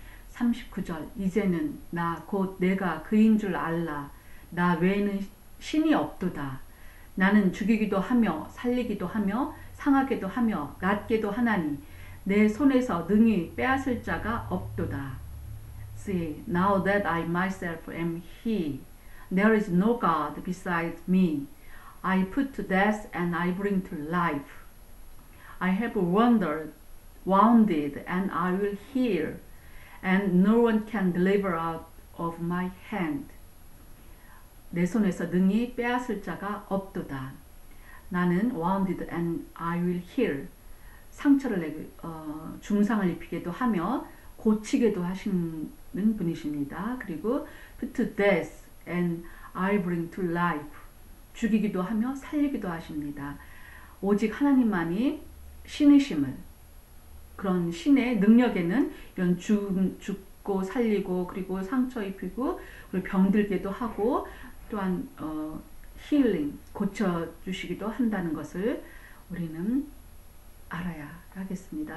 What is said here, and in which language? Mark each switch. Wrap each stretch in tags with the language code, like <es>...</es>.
<ko>39절 이제는 나 곧 내가 그인 줄 알라. 나 외에는 신이 없도다. 나는 죽이기도 하며 살리기도 하며 상하게도 하며 낫게도 하나니 내 손에서 능히 빼앗을 자가 없도다.</ko> <en>See, now that I myself am he, there is no God beside me. I put to death and I bring to life. I have wounded and I will heal, and no one can deliver out of my hand.</en> <ko>내 손에서 능히 빼앗을 자가 없도다. 나는</ko> <en>wounded and I will heal.</en> <ko>상처를 내고 중상을 입히게도 하며 고치게도 하시는 분이십니다. 그리고</ko> <en>put to death and I bring to life.</en> <ko>죽이기도 하며 살리기도 하십니다. 오직 하나님만이 신이심을 그런 신의 능력에는 이런 죽고 살리고 그리고 상처 입히고 그리고 병들게도 하고 또한 힐링, 고쳐주시기도 한다는 것을 우리는 알아야 하겠습니다.</ko>